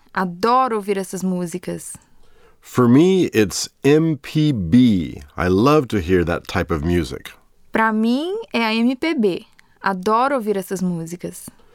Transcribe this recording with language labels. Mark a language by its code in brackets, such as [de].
[pt] Adoro ouvir essas músicas. [en] For me, it's MPB. I love to hear that type of music. [pt] Para mim, é a MPB. Adoro ouvir essas músicas.